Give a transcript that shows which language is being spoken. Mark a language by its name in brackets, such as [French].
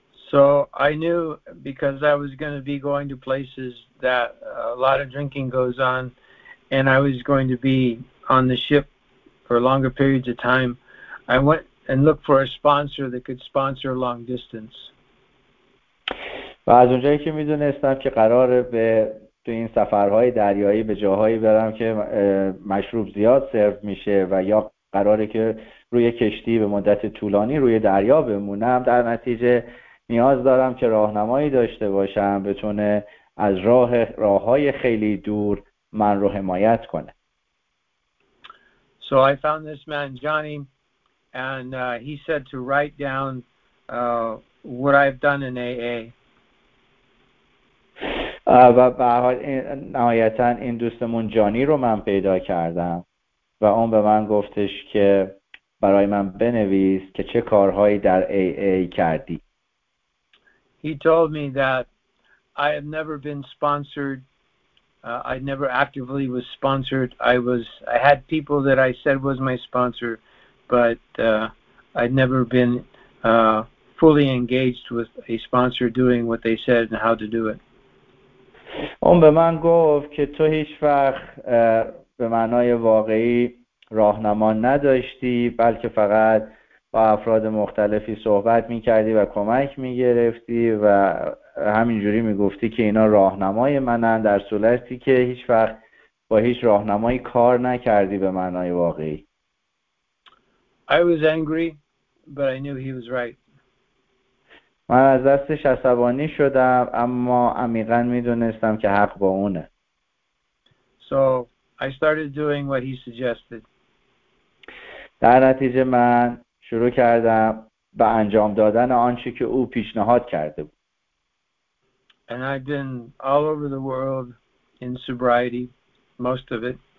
[English] So I knew because I was going to be going to places that a lot of drinking goes on and I was going to be on the ship for longer periods of time, I went and looked for a sponsor that could sponsor long distance. [Persian] و از اونجایی که میدونستم که قراره به تو این سفرهای دریایی به جاهایی برم که مشروب زیاد سرو میشه و یا قراره که روی کشتی به مدت طولانی روی دریا بمونم، در نتیجه نیاز دارم که راهنمایی داشته باشم بتونه از راههای خیلی دور من رو حمایت کنه. [English] So I found this man Johnny and he said to write down what I've done in AA. [Persian] و به هر حال نهایتا این دوستمون جانی رو من پیدا کردم و اون به من گفتش که برای من بنویس که چه کارهایی در AA کردی. [English] He told me that I have never been sponsored. I never actively was sponsored. I had people that I said was my sponsor, but I'd never been fully engaged with a sponsor doing what they said and how to do it. [Persian] اون به من گفت که تو هیچ وقت به معنای واقعی راهنما نداشتی، بلکه فقط با افراد مختلفی صحبت می‌کردی و کمک می‌گرفتی و همینجوری می‌گفتی که اینا راهنمای منن، در صورتی که هیچ وقت با هیچ راهنمایی کار نکردی به معنای واقعی. [English] I was angry, but I knew he was right. [Persian] من از دستش عصبانی شدم، اما عمیقا میدونستم که حق با اونه. [English] So I started doing what he suggested. [Persian] در نتیجه من شروع کردم به انجام دادن آنچه که او پیشنهاد کرده بود. [English] And I've been all over the world in sobriety, most of it.